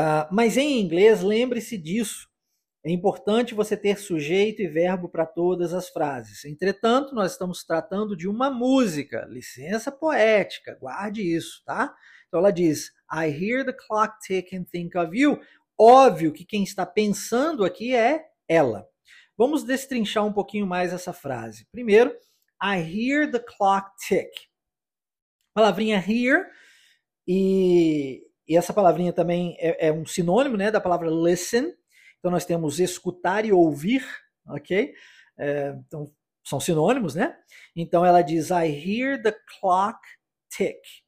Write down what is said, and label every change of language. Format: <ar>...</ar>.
<pt>Mas em inglês, lembre-se disso. É importante você ter sujeito e verbo para todas as frases. Entretanto, nós estamos tratando de uma música. Licença poética, guarde isso, tá? Então ela diz,</pt> <en>I hear the clock tick and think of you.</en> <pt>Óbvio que quem está pensando aqui é ela. Vamos destrinchar um pouquinho mais essa frase. Primeiro,</pt> <en>I hear the clock tick.</en> <pt>Palavrinha hear e essa palavrinha também é um sinônimo, né, da palavra listen. Então nós temos escutar e ouvir, ok? Então são sinônimos, né? Então ela diz,</pt> <en>I hear the clock tick.</en>